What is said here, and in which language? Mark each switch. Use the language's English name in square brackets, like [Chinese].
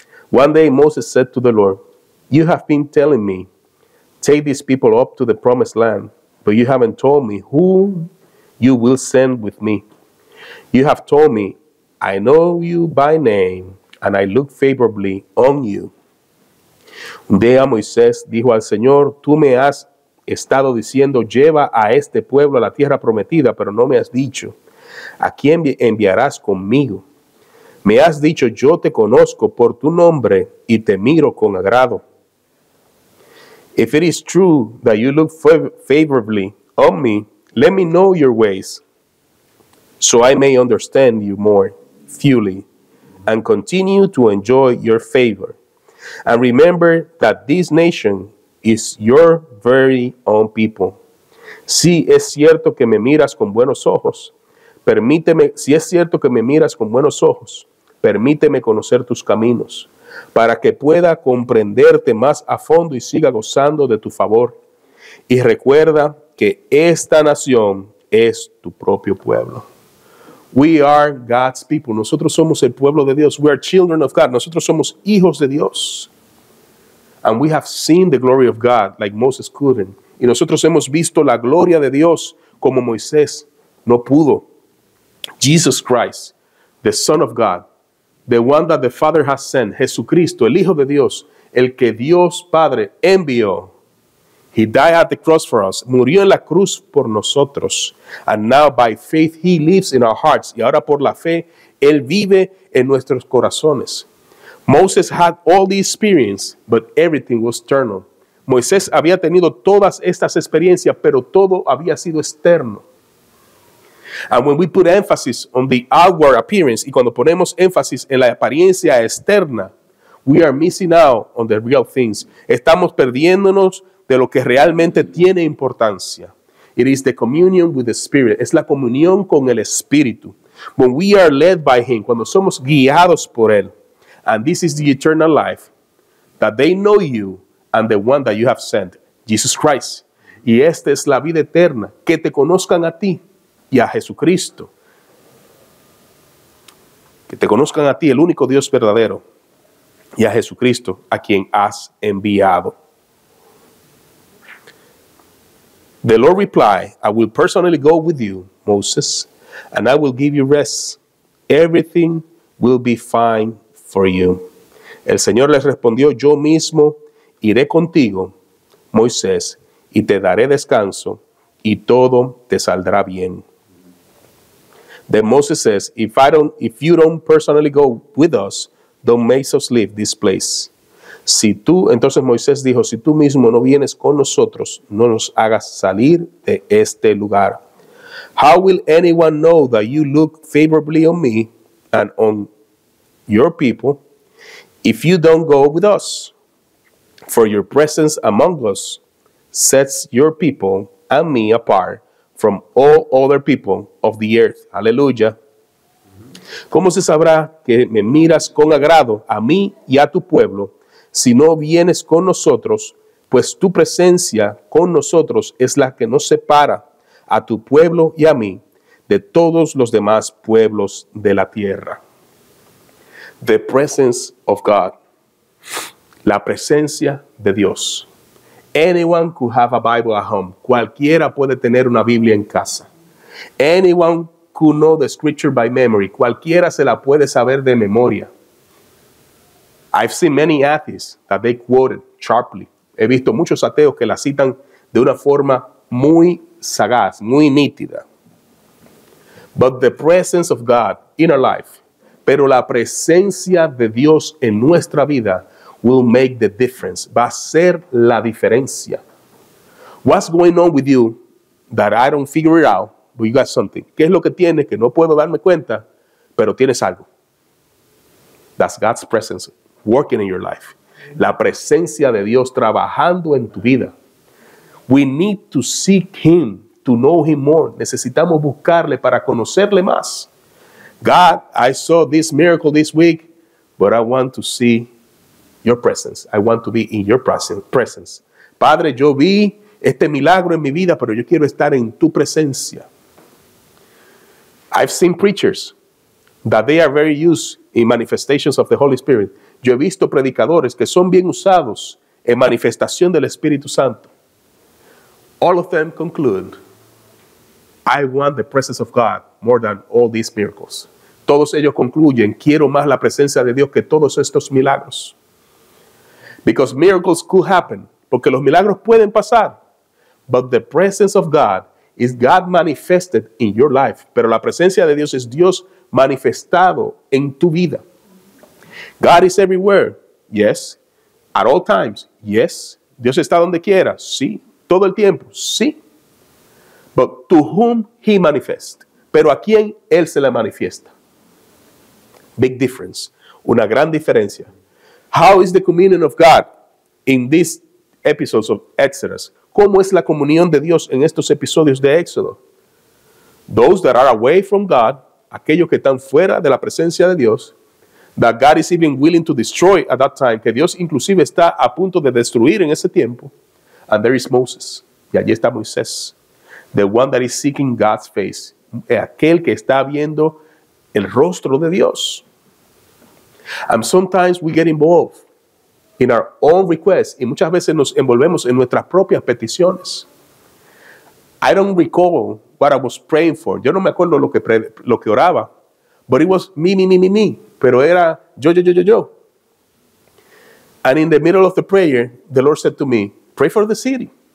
[English] One day Moses said to the Lord, You have been telling me, take these people up to the promised land, but you haven't told me who you will send with me. You have told me, I know you by name, and I look favorably on you. [Spanish] Un día Moisés dijo al Señor, Tú me has estado diciendo, lleva a este pueblo a la tierra prometida, pero no me has dicho, ¿a quién enviarás conmigo? Me has dicho, yo te conozco por tu nombre y te miro con agrado. [English] If it is true that you look favorably on me, let me know your ways so I may understand you more fully and continue to enjoy your favor. And remember that this nation is your very own people. [Spanish] Sí, es cierto que me miras con buenos ojos. Permíteme, si es cierto que me miras con buenos ojos, permíteme conocer tus caminos, para que pueda comprenderte más a fondo y siga gozando de tu favor. Y recuerda que esta nación es tu propio pueblo. [English] We are God's people. [Spanish] Nosotros somos el pueblo de Dios. [English] We are children of God. [Spanish] Nosotros somos hijos de Dios. [English] And we have seen the glory of God like Moses couldn't. [Spanish] Y nosotros hemos visto la gloria de Dios como Moisés no pudo. [English] Jesus Christ, the Son of God, the one that the Father has sent, [Spanish] Jesucristo, el Hijo de Dios, el que Dios Padre envió, [English] He died at the cross for us. [Spanish] Murió en la cruz por nosotros. [English] And now by faith he lives in our hearts. [Spanish] Y ahora por la fe, él vive en nuestros corazones. [English] Moses had all the experience, but everything was external. [Spanish] Moisés había tenido todas estas experiencias, pero todo había sido externo. [English] And when we put emphasis on the outward appearance, [Spanish] y cuando ponemos énfasis en la apariencia externa, [English] we are missing out on the real things. [Spanish] Estamos perdiéndonos de lo que realmente tiene importancia. [English] It is the communion with the Spirit. [Spanish] Es la comunión con el Espíritu. [English] When we are led by Him, [Spanish] cuando somos guiados por Él, [English] and this is the eternal life, that they know you and the one that you have sent, Jesus Christ. [Spanish] Y esta es la vida eterna, que te conozcan a ti y a Jesucristo. Que te conozcan a ti, el único Dios verdadero, y a Jesucristo, a quien has enviado. [English] The Lord replied, I will personally go with you, Moses, and I will give you rest. Everything will be fine for you. [Spanish] El Señor les respondió, yo mismo iré contigo, Moisés, y te daré descanso, y todo te saldrá bien. [English] Then Moses says, if you don't personally go with us, don't make us leave this place. [Spanish] Entonces Moisés dijo, si tú mismo no vienes con nosotros, no nos hagas salir de este lugar. [English] How will anyone know that you look favorably on me and on your people if you don't go with us? For your presence among us sets your people and me apart from all other people of the earth. [Spanish] Aleluya. ¿Cómo se sabrá que me miras con agrado a mí y a tu pueblo si no vienes con nosotros? Pues tu presencia con nosotros es la que nos separa a tu pueblo y a mí de todos los demás pueblos de la tierra. [English] The presence of God. [Spanish] La presencia de Dios. [English] Anyone could have a Bible at home. [Spanish] Cualquiera puede tener una Biblia en casa. [English] Anyone could know the scripture by memory. [Spanish] Cualquiera se la puede saber de memoria. [English] I've seen many atheists that they quoted sharply. [Spanish] He visto muchos ateos que la citan de una forma muy sagaz, muy nítida. [English] But the presence of God in our life, [Spanish] pero la presencia de Dios en nuestra vida, [English] will make the difference. [Spanish] Va a ser la diferencia. [English] What's going on with you that I don't figure it out, but you got something? [Spanish] ¿Qué es lo que tienes que no puedo darme cuenta, pero tienes algo? [English] That's God's presence working in your life. [Spanish] La presencia de Dios trabajando en tu vida. [English] We need to seek Him to know Him more. [Spanish] Necesitamos buscarle para conocerle más. [English] God, I saw this miracle this week, but I want to see Your presence. I want to be in your presence. [Spanish] Padre, yo vi este milagro en mi vida, pero yo quiero estar en tu presencia. [English] I've seen preachers that they are very used in manifestations of the Holy Spirit. [Spanish] Yo he visto predicadores que son bien usados en manifestación del Espíritu Santo. [English] All of them conclude, I want the presence of God more than all these miracles. [Spanish] Todos ellos concluyen, quiero más la presencia de Dios que todos estos milagros. [English] Because miracles could happen. [Spanish] Porque los milagros pueden pasar. [English] But the presence of God is God manifested in your life. [Spanish] Pero la presencia de Dios es Dios manifestado en tu vida. [English] God is everywhere. Yes. At all times. Yes. [Spanish] Dios está donde quiera. Sí. Todo el tiempo. Sí. [English] But to whom he manifests. [Spanish] Pero a quién él se le manifiesta. [English] Big difference. [Spanish] Una gran diferencia. [English] How is the communion of God in these episodes of Exodus? [Spanish] ¿Cómo es la comunión de Dios en estos episodios de Éxodo? [English] Those that are away from God, [Spanish] aquellos que están fuera de la presencia de Dios, [English] that God is even willing to destroy at that time, [Spanish] que Dios inclusive está a punto de destruir en ese tiempo. [English] And there is Moses. [Spanish] Y allí está Moisés. [English] The one that is seeking God's face. [Spanish] Aquel que está viendo el rostro de Dios. [English] And sometimes we get involved in our own requests. [Spanish] Y muchas veces nos envolvemos en nuestras propias peticiones. [English] I don't recall what I was praying for. [Spanish] Yo no me acuerdo lo que oraba. [English] But it was me. [Spanish] Pero era yo. [English] And in the middle of the prayer, the Lord said to me, pray for the city.